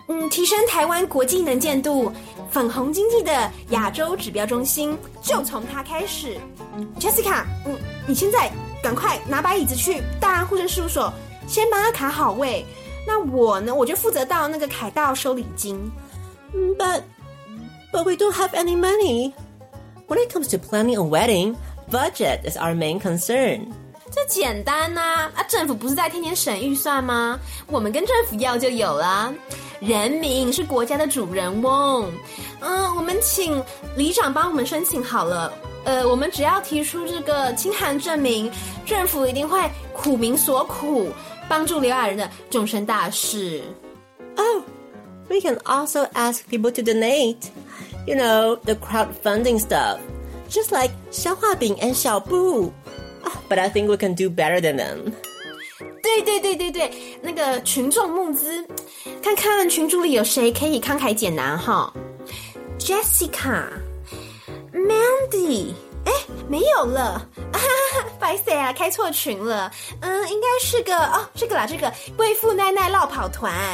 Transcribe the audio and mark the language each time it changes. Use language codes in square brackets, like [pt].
[zh] 提升台湾国际能见度，粉红经济的亚洲指标中心就从它开始。 Jessica， 你现在赶快拿把椅子去大安护证事务所，先帮他卡好位。那我呢，我就负责到那个凯道收礼金。 [en] But we don't have any money. When it comes to planning a wedding, budget is our main concern. [zh] 这简单呐、政府不是在天天省预算吗？我们跟政府要就有啦。人民是国家的主人翁。我们请里长帮我们申请好了。我们只要提出这个清寒证明，政府一定会苦民所苦，帮助刘亚仁的终身大事。 [en] Oh, we can also ask people to donate. You know, the crowdfunding stuff. Just like 消化饼 and 小布。 But I think we can do better than them. [zh] 对对对对对，那个群众募资，看看群组里有谁可以慷慨解囊哈。 Jessica, Mandy， 没有了，白色啊，开错群了。应该是个这个啦，这个贵妇奈奈绕跑团。